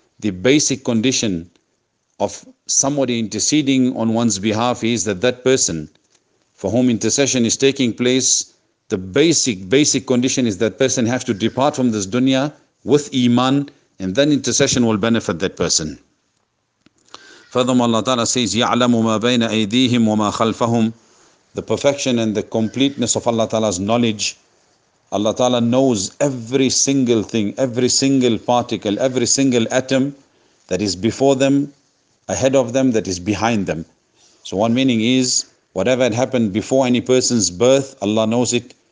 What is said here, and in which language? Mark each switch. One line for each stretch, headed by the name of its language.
English: The basic condition of somebody interceding on one's behalf is that that person for whom intercession is taking place, the basic condition is that person has to depart from this dunya with iman, and then intercession will benefit that person. Furthermore, Allah Ta'ala says,
Arabic: يَعْلَمُ مَا بَيْنَ أَيْدِيهِمْ وَمَا خَلْفَهُمْ.
English: The perfection and the completeness of Allah Ta'ala's knowledge. Allah Ta'ala knows every single thing, every single particle, every single atom that is before them, ahead of them, that is behind them. So one meaning is, whatever had happened before any person's birth, Allah knows it.